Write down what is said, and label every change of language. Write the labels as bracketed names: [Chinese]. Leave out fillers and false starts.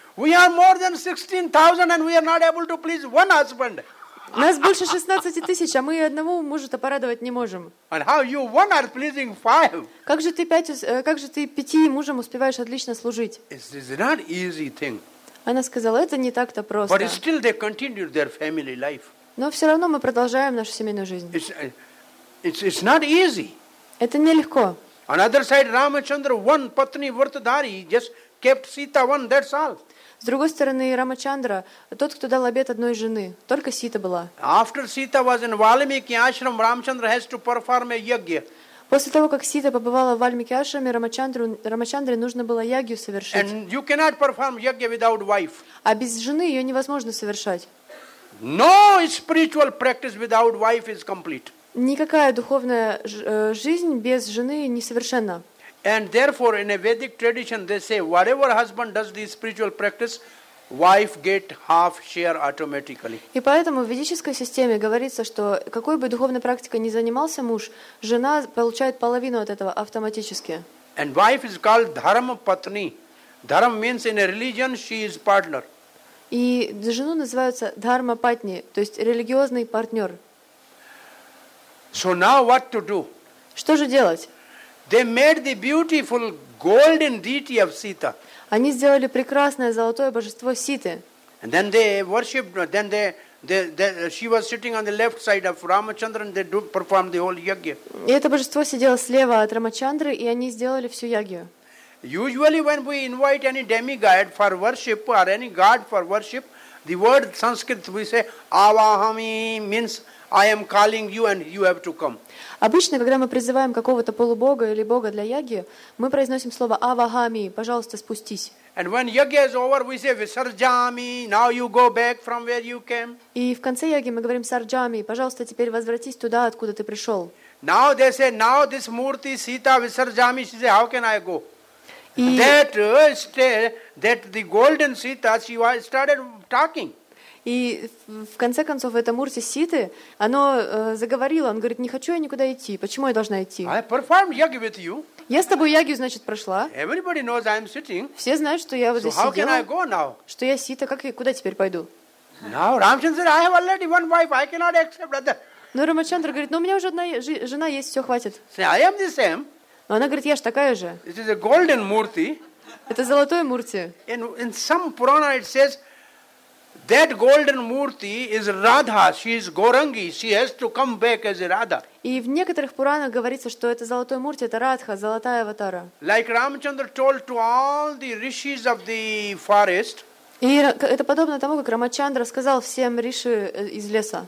[English] We are more than 16,000 and we are not able to please one husband. [Russian] Нас больше 16,000, а мы одного мужа-то порадовать не можем. [English] And how you one are pleasing five? [Russian] Как же ты пяти мужам успеваешь отлично служить? [English] It's not easy thing. [Russian] Она сказала, это не так-то просто. [English] But still they continued their family life. [Russian] Но все равно мы продолжаем нашу семейную жизнь. [English] It's not easy. [Russian] Это нелегко. [English] On other side, Ramachandra, one patni vartadhari, just kept Sita one, that's all. [Russian] С другой стороны, Рамачандра, тот, кто дал обет одной жены, только Сита была. [English] After Sita was in Valmiki ashram, Ramachandra has to perform a yagya. [Russian] После того, как Сита побывала в Вальмике Ашраме, Рамачандре нужно было ягью совершить. [English] And you cannot perform ягья without wife. [Russian] А без жены ее невозможно совершать. [English] No spiritual practice without wife is complete. [Russian] Никакая духовная жизнь без жены не совершенна. [English] And therefore, in a Vedic tradition, they say, whatever husband does the spiritual practice, wife get half share automatically. [Russian] И поэтому в ведической системе говорится, что какой бы духовной практикой ни занимался муж, жена получает половину от этого автоматически. [English] And wife is called dharma patni. Dharma means in a religion she is partner. [Russian] И жену называется dharma patni, то есть религиозный партнер. [English] So now what to do? [Russian] Что же делать? [English] They made the beautiful golden deity of Sita. [Russian] Они сделали прекрасное золотое божество Ситы. [English] And then they worshipped. Then she was sitting on the left side of Ramachandra, and they performed the whole yagya. [Russian] И это божество сидело слева от Рамачандры, и они сделали всю ягью. [English] Usually, when we invite any demigod for worship or any god for worship, the word Sanskrit we say avahami means I am calling you, and you have to come. [Russian] Обычно, когда мы призываем какого-то полубога или бога для яги, мы произносим слово Авахами, пожалуйста, спустись. [English] And when yagya is over, we say Visarjami, now you go back from where you came. [Russian] И в конце яги мы говорим Сарджами, пожалуйста, теперь возвратись туда, откуда ты пришел. [English] Now they say, now this murti Sita Visarjami, she say, how can I go? That the golden Sita, she started talking. [Russian] И в конце концов, это Мурти Ситы, оно заговорило, он говорит, не хочу я никуда идти, почему я должна идти? [English] I performed yagya with you. [Russian] Я с тобой ягью, значит, прошла. [English] Everybody knows I'm sitting. [Russian] Все знают, что я вот здесь so сидела. [English] How can I go now? [Russian] Что я Сита, как и куда теперь пойду? [English] Now, Ramachandra said, I have already one wife, I cannot accept other. [Russian] Но Рамачандра говорит, ну у меня уже одна жена есть, все, хватит. [English] See, I am the same. [Russian] Но она говорит, я же такая же. [English] It is a golden murti. [Russian] Это золотой Мурти. [English] In some Purana it says, that golden murti is Radha. She is Gorangi. She has to come back as Radha. [Russian] И в некоторых пуранах говорится, что это золотой мурти, это Радха, золотая аватара. [English] Like Ramachandra told to all the rishis of the forest. [Russian] И это подобно тому, как Рамачандра сказал всем риши из леса.